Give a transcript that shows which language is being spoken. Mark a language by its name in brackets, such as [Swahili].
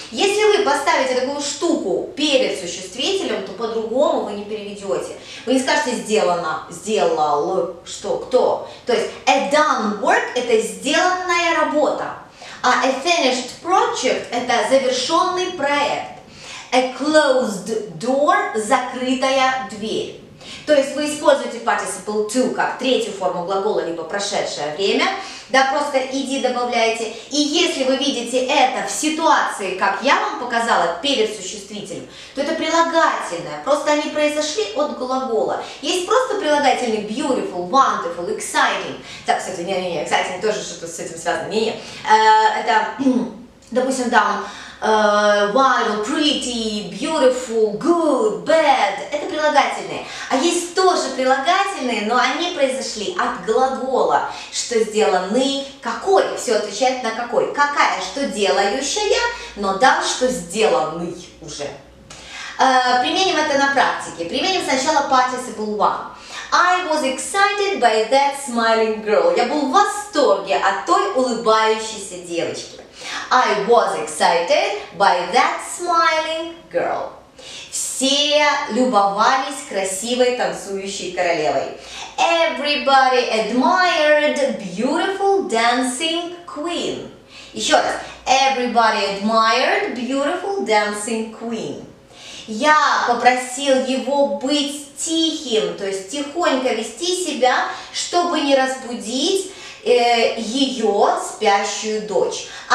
[Russian] Если вы поставите такую штуку перед существителем, то по-другому вы не переведете. Вы не скажете «сделано», «сделал», «что», «кто». То есть [English] «a done work» [Russian] – это «сделанная работа». А [English] «a finished project» [Russian] – это «завершенный проект». [English] A closed door – [Russian] закрытая дверь. То есть вы используете participle to как третью форму глагола, либо прошедшее время, да, просто иди добавляете. И если вы видите это в ситуации, как я вам показала, перед существителем, то это прилагательное, просто они произошли от глагола. Есть просто прилагательный [English] beautiful, wonderful, exciting. [Russian] Так, кстати, не-не-не, exciting тоже что-то с этим связано, не-не. Это, допустим, там... [English] wild, pretty, beautiful, good, bad. [Russian] Это прилагательные. А есть тоже прилагательные, но они произошли от глагола. Что сделаны, какой. Все отвечает на какой. Какая, что делающая, но дал, что сделаны уже. Применим это на практике. Применим сначала participle one. [English] I was excited by that smiling girl. [Russian] Я был в восторге от той улыбающейся девочки. [English] I was excited by that smiling girl. [Russian] Все любовались красивой танцующей королевой. [English] Everybody admired beautiful dancing queen. [Russian] Еще раз. [English] Everybody admired beautiful dancing queen. [Russian] Я попросил его быть тихим, то есть тихонько вести себя, чтобы не разбудить ее спящую дочь.